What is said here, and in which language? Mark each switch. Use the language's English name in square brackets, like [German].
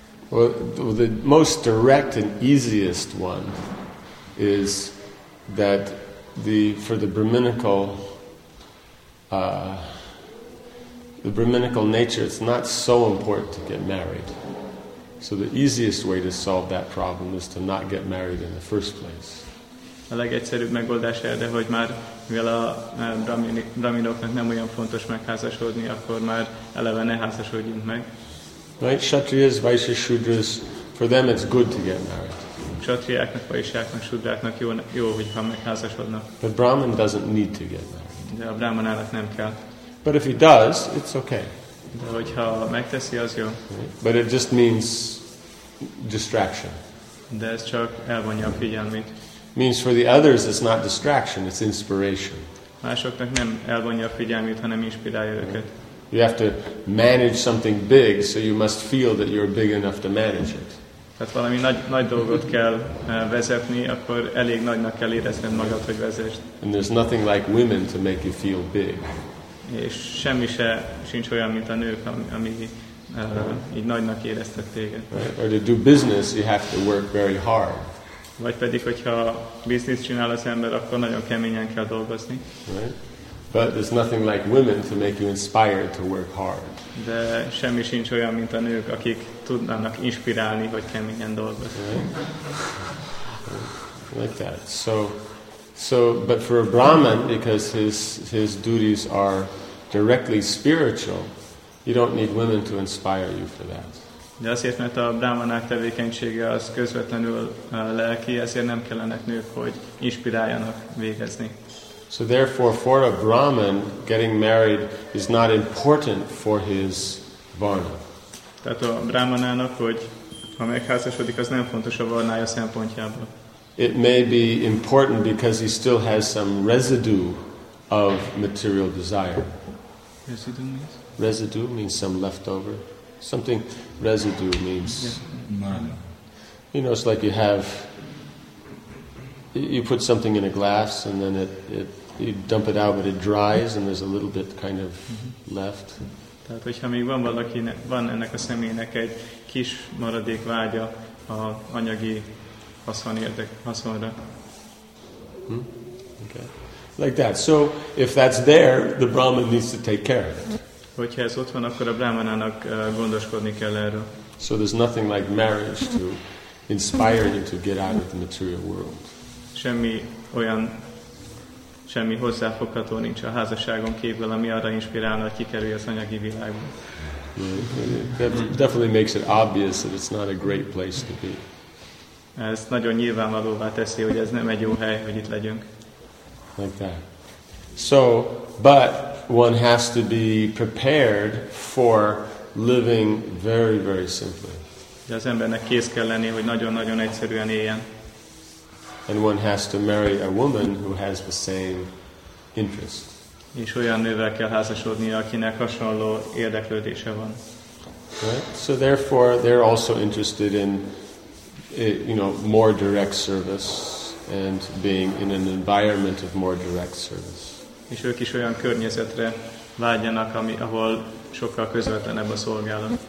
[English] Well, the most direct and easiest one is that for the brahminical nature, it's not so important to get married. So the easiest way to solve that problem is to not get married in the first place. [Hungarian] A legegyszerűbb megoldás erre, hogy már mivel a brahminoknak nem olyan fontos megházasodni, akkor már eleve ne házasodjunk meg. [English] Right, kshatriyas, vaishyas, shudras, for them it's good to get married. [Hungarian] Kshatriyáknak, vaishyáknak, shudráknak jó, hogyha megházasodnak. [English] But brahmin doesn't need to get married. [Hungarian] De a brahmanának nem kell. [English] But if he does, it's okay. [Hungarian] De hogyha megteszi, az jó. [English] Right. But it just means distraction. [Hungarian] De ez csak elvonja a figyelmét. [English] Means for the others it's not distraction, it's inspiration. [Hungarian] Másoknak nem elvonja a figyelmét, hanem inspirálja őket. [English] You have to manage something big, so you must feel that you're big enough to manage it. [Hungarian] Tehát valami nagy dolgot kell vezetni, akkor elég nagynak kell érezned magad, hogy vezess. [English] And there's nothing like women to make you feel big. [Hungarian] És semmi se sincs olyan, mint a nők, ami így nagynak éreztet téged. [English] Right? Or to do business, you have to work very hard. [Hungarian] Vagy pedig, hogyha business csinál az ember, akkor nagyon keményen kell dolgozni. [English] Right? But there's nothing like women to make you inspired to work hard. [Hungarian] De semmi sincs olyan, mint a nők, akik tudnának inspirálni, hogy keményen dolgozzanak. [English] Right. Like that. So, but for a Brahman, because his duties are directly spiritual, you don't need women to inspire you for that. [Hungarian] De azért, mert a brahmanák tevékenysége az közvetlenül lelki, ezért nem kellenek nők, hogy inspiráljanak végezni. [English] So therefore, for a Brahman, getting married is not important for his varna. [Hungarian] Tehát a brahmanának, hogy ha megházasodik, az nem fontos a varnája szempontjából. [English] It may be important because he still has some residue of material desire. Residue means some leftover. Something residue means. Yeah. You know, it's like you have. You put something in a glass and then it. You dump it out, but it dries, and there's a little bit kind of left. [Hungarian] Tehát, hogyha még van valaki, van ennek a személynek egy kis maradék vágya a anyagi haszonra. [English] Okay, like that. So if that's there, the Brahman needs to take care of it. [Hungarian] Hogyha ez ott van, akkor a brahmanának gondoskodni kell erről. [English] So there's nothing like marriage to inspire you to get out of the material world. [Hungarian] Semmi hozzáfogható nincs a házasságon kívül, ami arra inspirálna, hogy kikerülj az anyagi világból. [English] That definitely makes it obvious that it's not a great place to be. [Hungarian] Ez nagyon nyilvánvalóvá teszi, hogy ez nem egy jó hely, hogy itt legyünk. [English] Like that. So, but one has to be prepared for living very, very simply. [Hungarian] De az embernek kész kell lenni, hogy nagyon-nagyon egyszerűen éljen. [English] And one has to marry a woman who has the same interest. [Hungarian] És olyan nővel kell házasodnia, akinek hasonló érdeklődése van. [English] Right? So therefore, they're also interested in, you know, more direct service and being in an environment of more direct service. [Hungarian] És ők is olyan környezetre vágyanak, ahol sokkal közvetlenebb a szolgálat.